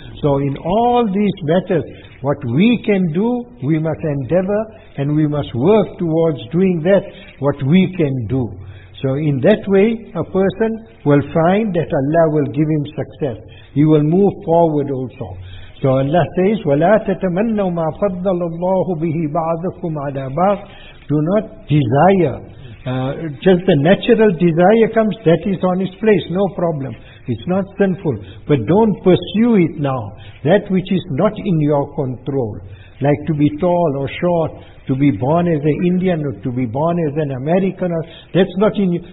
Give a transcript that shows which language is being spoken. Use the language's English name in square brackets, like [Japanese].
[English] So in all these matters, what we can do, we must endeavor and we must work towards doing that, what we can do. So in that way, a person will find that Allah will give him success. He will move forward also. So Allah says, [Arabic] وَلَا تَتَمَنَّوْ مَا فَضَّلَ اللَّهُ بِهِ بَعْضَكُمْ عَلَىٰ بَعْضٍ. [English] Do not desire. Just the natural desire comes, that is on its place, no problem. It's not sinful. But don't pursue it now. That which is not in your control. Like to be tall or short, to be born as an Indian or to be born as an American, or that's not in you.